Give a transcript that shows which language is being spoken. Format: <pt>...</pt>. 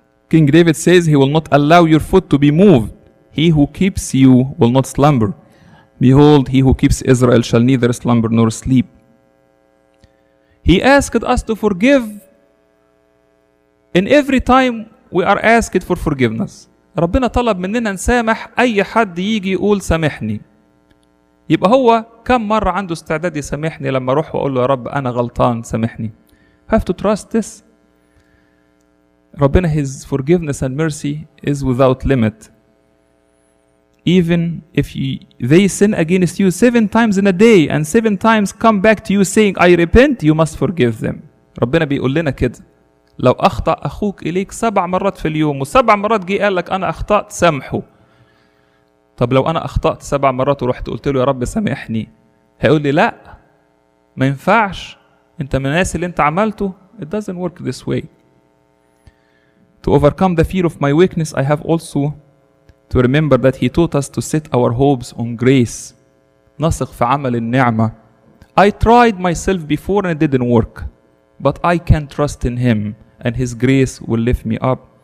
<en>King David says he will not allow your foot to be moved. He who keeps you will not slumber. Behold, he who keeps Israel shall neither slumber nor sleep. He asked us to forgive. In every time we are asked for forgiveness.</en> <ar>ربنا طلب مننا نسامح أي حد يجي يقول سامحني. يبقى هو كم مرة عنده استعداد يسامحني لما روح وأقول له يا رب أنا غلطان سامحني.</ar> <en>Have to trust this. ربنا his forgiveness and mercy is without limit. Even if they sin against you 7 times in a day and 7 times come back to you saying I repent, you must forgive them.</en> <ar>ربنا بيقول لنا كده. لو أخطأ أخوك إليك 7 مرات في اليوم و7 مرات جي قال لك أنا أخطأت سامحه. طب لو أنا أخطأت 7 مرات ورحت قلت له يا رب سامحني هيقول لي لا ما ينفعش أنت من الناس اللي أنت عملته.</ar> <en>It doesn't work this way. To overcome the fear of my weakness, I have also to remember that he taught us to set our hopes on grace.</en> <ar>نثق في عمل النعمة.</ar> <en>I tried myself before and it didn't work. But I can trust in him and his grace will lift me up.</en>